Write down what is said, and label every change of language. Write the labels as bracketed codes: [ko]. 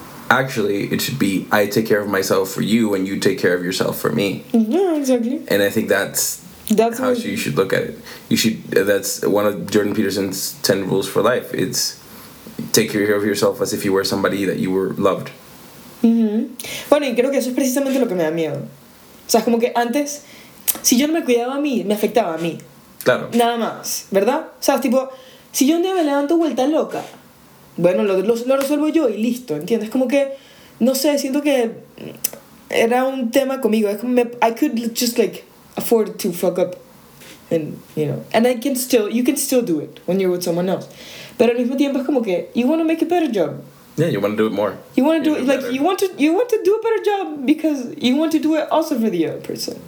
[en] Actually, it should be, I take care of myself for you and you take care of yourself for me. Yeah, exactly. And I think that's how you should look at it. You should, that's one of Jordan Peterson's 10 rules for life. It's take care of yourself as if you were somebody that you were loved. Mm-hmm. [es] Bueno, y creo que eso es precisamente lo que me da miedo. O sea, es como que antes, si yo no me cuidaba a mí, me afectaba a mí. Claro. Nada más, ¿verdad? O sea, es tipo, si yo un día me levanto vuelta loca, bueno, lo resuelvo yo y listo, ¿entiendes? Como que, no sé, siento que era un tema conmigo. Es como, [en] I could just, like, afford to fuck up and, you know, and I can still, you can still do it when you're with someone else. [es] Pero al mismo tiempo es como que, [en] you want to make a better job. Yeah, you want to do it more. You want to do it, like, better. you want to do a better job because you want to do it also for the other person.